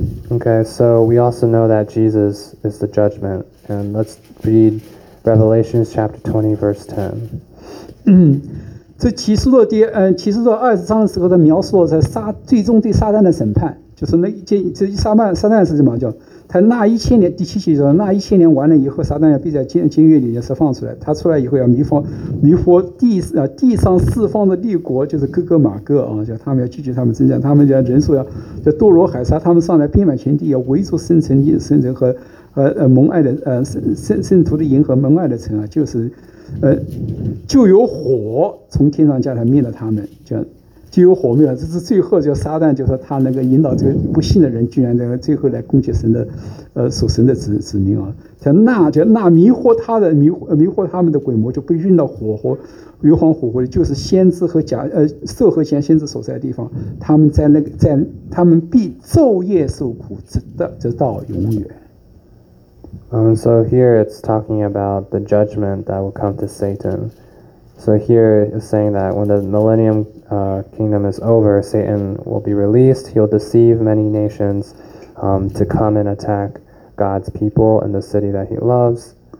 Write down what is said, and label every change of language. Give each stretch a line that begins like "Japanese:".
English: Okay, so we also know that Jesus is the judgment, and let's read Revelation chapter 20, verse 10.
Chinese: 这启示录第启示录二十章的时候的描述是最终对撒旦的审判，就是那这撒旦是什么叫？他那一千年第七节说，那一千年完了以后，撒旦要必在监狱里面释放出来。他出来以后要迷惑地上四方的列国，就是哥哥马哥啊，叫他们要聚集他们增长，他们叫人数要堕落海沙，他们上来遍满全地，要围住圣城和蒙爱的圣徒的营和蒙爱的城啊，就是就有火从天上降下来灭了他们，就有火灭了。这是最后叫撒旦，就是他那个引导这个不信的人，居然在最后来攻击神的属神的子民啊。叫那迷惑他的迷惑他们的鬼魔就被运到硫磺火里，就是先知和色和贤先知所在的地方。他们在那个在他们必昼夜受苦，直到永远。
English: So here it's talking about the judgment that will come to Satan. So here it's saying that when the millennium kingdom is over, Satan will be released. He'll deceive many nations to come and attack God's people and the city that he loves.